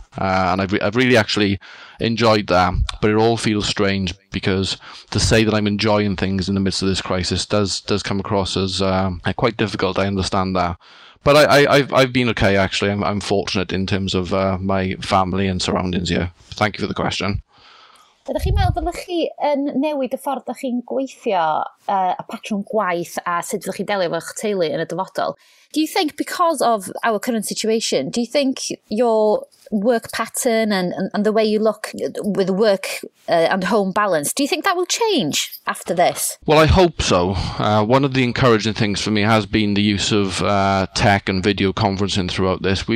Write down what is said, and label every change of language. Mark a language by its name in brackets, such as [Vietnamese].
[English] And I've really actually enjoyed that. But it all feels strange, because to say that I'm enjoying things in the midst of this crisis does come across as quite difficult. I understand that. But I've been okay, actually. I'm fortunate in terms of my family and surroundings here. Thank you for the question. [Welsh] Ydych chi'n meddwl, ydych chi yn newid y ffordd ydych chi'n gweithio y patrwm gwaith a sut ydych chi'n delio efo eich teulu yn y dyfodol? [English] Do you think, because of our current situation, do you think your work pattern and the way you look with work and home balance, do you think that will change after this? Well, I hope so. One of the encouraging things for me has been the use of tech and video conferencing throughout this.